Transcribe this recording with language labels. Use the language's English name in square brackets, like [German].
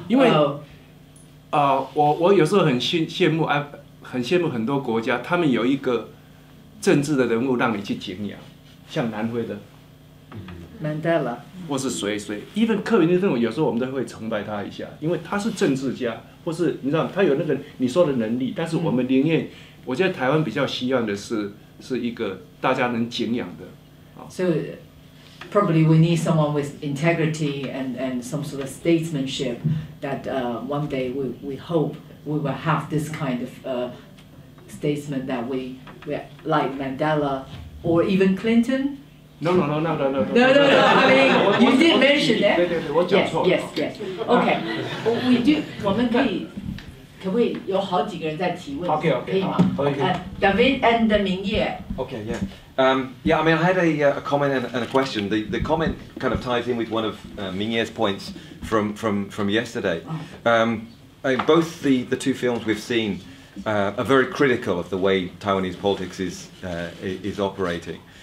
[Chinese] 因为我有时候很羡慕，哎，很羡慕很多国家，他们有一个政治的人物让你去敬仰，像南非的 Mandela，或是谁 ，even 克林顿，有时候我们都会崇拜他一下，因为他是政治家。或是你知道他有那个你说的能力，但是我们宁愿，我觉得台湾比较希望的是一个大家能敬仰的。 [English] So probably we need someone with integrity and some sort of statesmanship that one day we hope we will have this kind of statesman that we like Mandela or even Clinton. No. I mean, you did mention that. [Chinese] 对，我讲错了。 [English] Yes. Okay. We do. [Chinese] 我们可以，可不可以有好几个人在提问 [English] ？Okay. Okay. [Chinese] 可以吗 [English] ？Okay. David and Mingye. Okay. Yeah. I mean, I had a comment and a question. The comment kind of ties in with one of Mingye's points from yesterday. I mean, both the two films we've seen are very critical of the way Taiwanese politics is operating.